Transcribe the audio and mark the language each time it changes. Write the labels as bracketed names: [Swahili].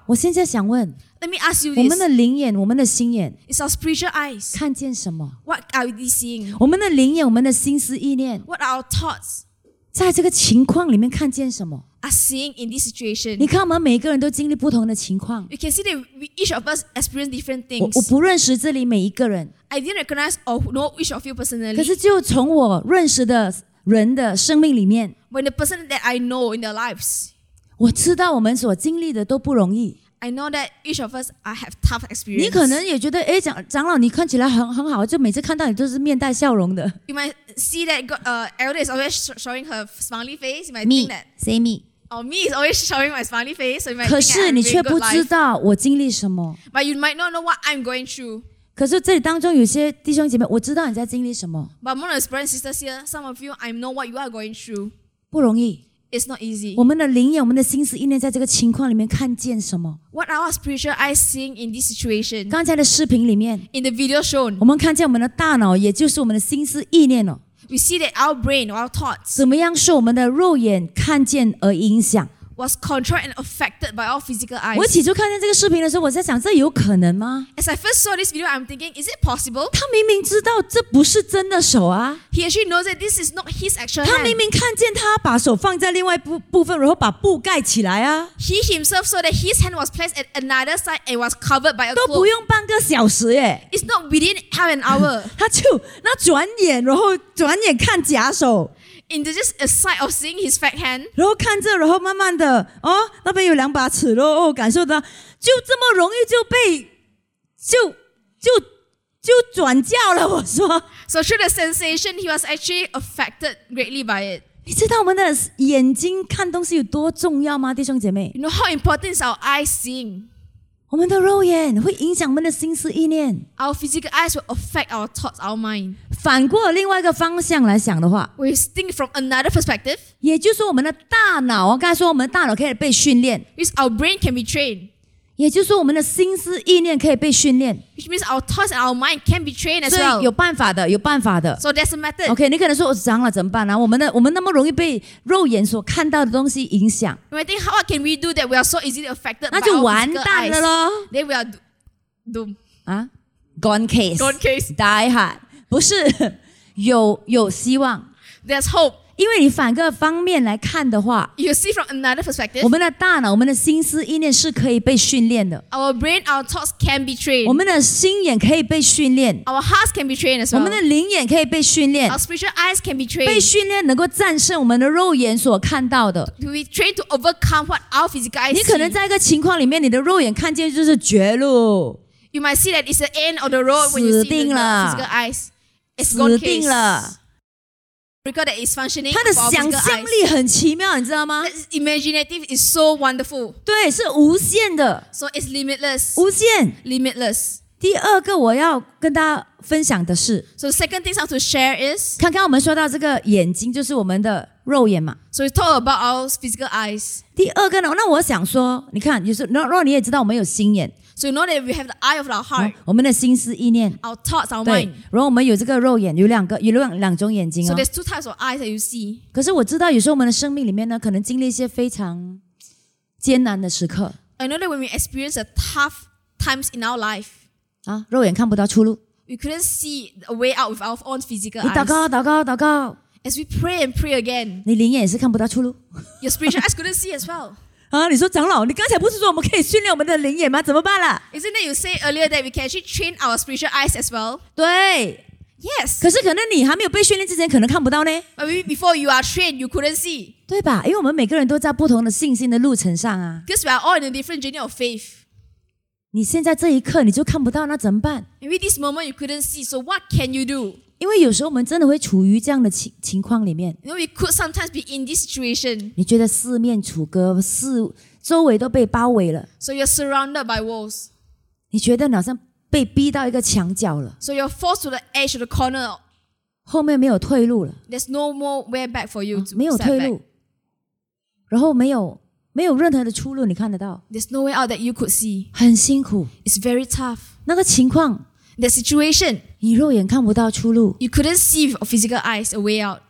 [Chinese] 我现在想问 [English] ，Let me ask you this： [Chinese] 我们的灵眼，我们的心眼 [English] ，It's our spiritual eyes。 [Chinese] 看见什么 [English] ？What are we seeing？ [Chinese] 我们的灵眼，我们的心思意念 [English] ，What are our thoughts？ [Chinese] 在这个情况里面看见什么 [English] ？Are seeing in this situation？ [Chinese] 你看，我们每一个人都经历不同的情况 [English] ，You can see that we, each of us experience different things [Chinese] 我不认识这里每一个人。 [English] I didn't recognize or know each of you personally. [Chinese] 可是就从我认识的人的生命里面 [English] ，When the person that I know in their lives， [Chinese] 我知道我们所经历的都不容易。 [English] I know that each of us I have tough experience. [Chinese] 你可能也觉得，哎，长老，你看起来很好，就每次看到你都是面带笑容的。 [English] You might see that Elder is always showing her smiley face. You might think that. Me, say me. Oh, me is always showing my smiley face. So you might. [Chinese] 可是你却不知道我经历什么。 [English] But you might not know what I'm going through. [Chinese] 可是这里当中有些弟兄姐妹，我知道你在经历什么。 [English] But more than brothers and sisters here, some of you, I know what you are going through. [Chinese] 不容易。 [English] It's not easy. [Chinese] 我们的灵眼，我们的心思意念，在这个情况里面看见什么 [English] ？What are our spiritual eyes seeing in this situation? [Chinese] 刚才的视频里面 [English] ，in the video shown， [Chinese] 我们看见我们的大脑，也就是我们的心思意念了。 [English] We see that our brain, our thoughts， [Chinese] 怎么样受我们的肉眼看见而影响？ [English] Was controlled and affected by our physical eyes. [Chinese] 我起初看见这个视频的时候，我在想，这有可能吗 [English] ？As I first saw this video, I'm thinking, is it possible? [Chinese] 他明明知道这不是真的手啊。 [English] He actually knows that this is not his actual hand. [Chinese] 他明明看见他把手放在另外部分，然后把布盖起来啊。 [English] He himself saw that his hand was placed at another side and was covered by a cloak. [Chinese] 都不用半个小时耶。 [English] It's not within half an hour. [Chinese] 他就那转眼，然后转眼看假手。 [English] In the just a sight of seeing his fat hand, [Chinese] 然后看这，然后慢慢的，哦，那边有两把尺喽，哦，感受到，就这么容易就被，就转教了。我说 [English] ，So through the sensation, he was actually affected greatly by it. [Chinese] 你知道我们的眼睛看东西有多重要吗，弟兄姐妹 [English] ？You know how important is our eyes seeing. [Chinese] 我们的肉眼会影响我们的心思意念。 [English] Our physical eyes will affect our thoughts, our mind. [Chinese] 反过另外一个方向来想的话 [English] ，We think from another perspective. [Chinese] 也就是说，我们的大脑，刚才说我们的大脑可以被训练 [English] ，Which our brain can be trained. [Chinese] 也就是说，我们的心思意念可以被训练 [English] ，Which means our thoughts and our mind can be trained as well. [Chinese] 所以有办法的，有办法的。 [English] So there's a method. [Chinese] OK， 你可能说我长了怎么办呢、啊？我们那么容易被肉眼所看到的东西影响。 [English] We think how can we do that? We are so easily affected. [Chinese] 那就完蛋了咯。 [English] Then we are doom. 啊 ，gone case. Gone case. Die hard. [Chinese] 不是有希望 [English] ，There's hope， [Chinese] 因为你反个方面来看的话 [English] you see from another perspective, [Chinese] 我们的大脑我们的心思意念是可以被训练的 [English] our brain, our thoughts can be trained, [Chinese] 我们的心眼可以被训练 [English] our hearts can be trained as well, [Chinese] 我们的灵眼可以被训练 [English] our spiritual eyes can be trained, [Chinese] 被训练能够战胜我们的肉眼所看到的 [English] to be trained to overcome what our physical eyes see [Chinese] 你可能在一个情况里面你的肉眼看见就是绝路 [English] you might see that it's the end of the road when you see the physical eyes it's gone case Recall that it's functioning. [Chinese] 他的想象力很奇妙，你知道吗 [English] ？Imaginative is so wonderful. [Chinese] 对，是无限的。 [English] So it's limitless. [Chinese] 无限 [English] ，limitless. [Chinese] 第二个我要跟大家分享的是 [English] ，So second thing I want to share is. [Chinese] 刚刚我们说到这个眼睛就是我们的肉眼嘛。 [English] So we talk about our physical eyes. [Chinese] 第二个呢？那我想说，你看，就是若你也知道我们有心眼。 [English] So you know that we have the eye of our heart. [Chinese] 我们的心思意念。 [English] Our thoughts, our mind. [Chinese] 然后我们有这个肉眼，有两个，有两种眼睛哦。 [English] So there's two types of eyes that you see. [Chinese] 可是我知道，有时候我们的生命里面呢，可能经历一些非常艰难的时刻。 [English] I know that when we experience the tough times in our life, [Chinese] 啊，肉眼看不到出路。 [English] We couldn't see a way out with our own physical eyes. [Chinese] 你祷告，祷告，祷告。 [English] As we pray and pray again, [Chinese] 你灵眼也是看不到出路。 [English] Your spiritual eyes couldn't see as well. [Chinese] 啊，你说长老，你刚才不是说我们可以训练我们的灵眼吗？怎么办啦 [English] ？Isn't it you say earlier that we can actually train our spiritual eyes as well？ [Chinese] 对 [English] ，Yes。 [Chinese] 可是可能你还没有被训练之前，可能看不到呢。 [English] But before you are trained, you couldn't see。 [Chinese] 对吧？因为我们每个人都在不同的信心的路程上啊。 [English] Because we are all in a different journey of faith。 [Chinese] 你现在这一刻你就看不到，那怎么办 [English] ？Maybe this moment you couldn't see, so what can you do？ [Chinese] 因为有时候我们真的会处于这样的情况里面。 [English] You know, we could sometimes be in this situation. [Chinese] 你觉得四面楚歌，周围都被包围了。 [English] So you're surrounded by walls. [Chinese] 你觉得好像被逼到一个墙角了。 [English] So you're forced to the edge of the corner. [Chinese] 后面没有退路了。 [English] There's no more way back for you. [Chinese] 没有退路。然后没有任何的出路，你看得到。 [English] There's no way out that you could see. [Chinese] 很辛苦。 [English] It's very tough. [Chinese] 那个情况。 [English] The situation. [Chinese] 你肉眼看不到出路。 [English] You couldn't see with physical eyes a way out.